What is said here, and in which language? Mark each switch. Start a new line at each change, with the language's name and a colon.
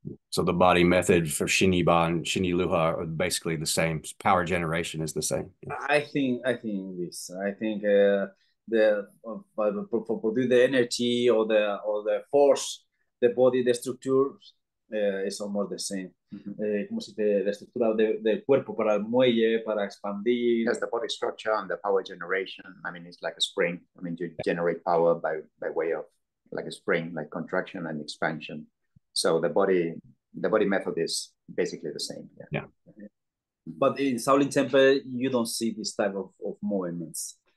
English: So the body method for Xiniba and Xiniluha are basically the same. Power generation is the same. I think the energy or the force, the body, the structure is almost the same.
Spanish: Como si la estructura del cuerpo para el muelle, para expandir.
English: Yes, the body structure and the power generation. I mean, it's like a spring. I mean, you generate power by way of like a spring, like contraction and expansion. So the body method is basically the same. Yeah. Yeah. But in Shaolin Temple, you don't see this type of movements.